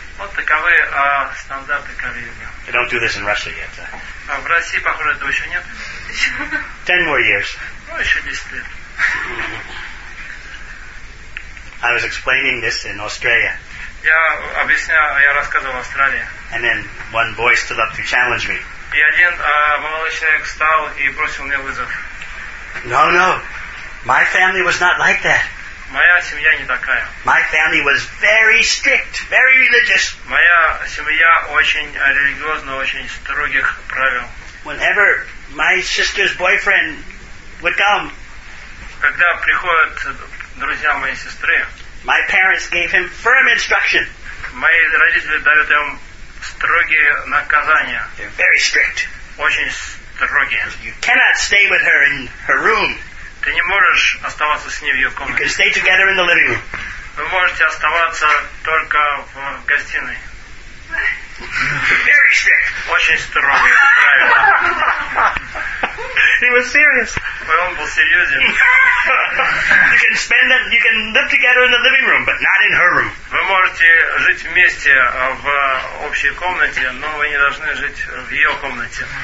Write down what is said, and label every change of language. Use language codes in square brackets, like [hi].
[ru] Вот таковы стандарты карьеры. [en] I don't do this in Russia yet. [ru] В России, похоже, этого еще нет. [en] 10 more years. [ru] Ну, еще 10 лет. [en] I was explaining this in Australia. [ru] Я рассказывал в Австралии. [en] And then one boy stood up to challenge me. [ru] И один молодой человек встал и бросил мне вызов. [en] No, no. My family was not like that. [ru] Моя семья не такая. [en] My family was very strict, very religious. [ru] Моя семья очень религиозна, очень строгих правил. [en] Whenever my sister's boyfriend would come, [ru] когда приходят друзья моей сестры, [en] my parents gave him firm instruction. [ru] Мои родители дают им строгие наказания. [en] They're very strict. [ru] Очень строгие. [en] You cannot stay with her in her room. [ru] Ты не можешь оставаться с ней в ее комнате. [en] You can stay together in the living room. [ru] Вы можете оставаться только в гостиной. [en] Very strict. [ru] Очень строго. Правильно. [en] He was serious. [ru] Он был серьезен. [en] You can spend that. You can live together in the living room, but not in her room. [ru] Вы можете жить вместе в общей комнате, но вы не должны жить в ее комнате.